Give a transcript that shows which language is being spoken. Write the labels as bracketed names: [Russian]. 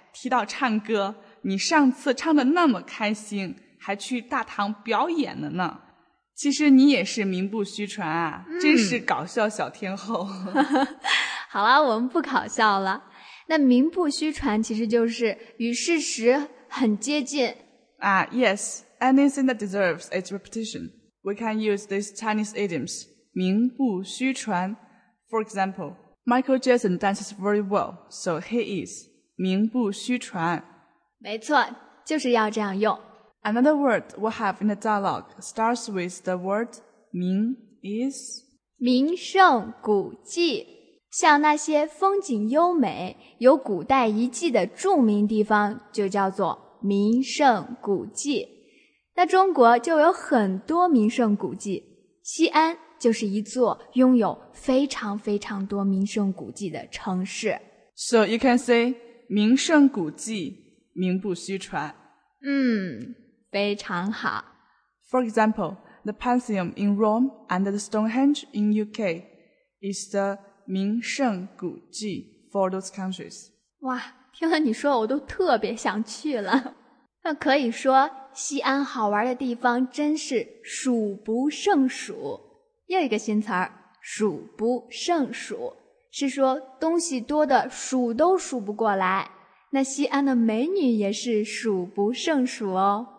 [Chinese] 提到唱歌，你上次唱得那么开心，还去大堂表演了呢，其实你也是名不虚传啊。嗯，真是搞笑小天后。好了，我们不搞笑了。那名不虚传其实就是与事实很接近啊。 [English] Yes, anything that deserves its repetition, we can use these Chinese idioms, 名不虚传。 For example, Michael Jackson dances very well, so he is 名不虚传。 [Chinese] 没错，就是要这样用。 [English] Another word we have in the dialogue starts with the word 名 is [Chinese] 名胜古迹，像那些风景优美有古代遗迹的著名地方就叫做名胜古迹。那中国就有很多名胜古迹，西安就是一座拥有非常非常多名胜古迹的城市。 [English] So you can say 名胜古迹名不虚传。 [Chinese] 嗯，非常好。 [English] For example, the Pantheon in Rome and the Stonehenge in UK is the 名胜古迹 for those countries. [Chinese] 哇，听了你说我都特别想去了。那可以说西安好玩的地方真是数不胜数。又一个新词儿，数不胜数，是说东西多的数都数不过来。那西安的美女也是数不胜数哦。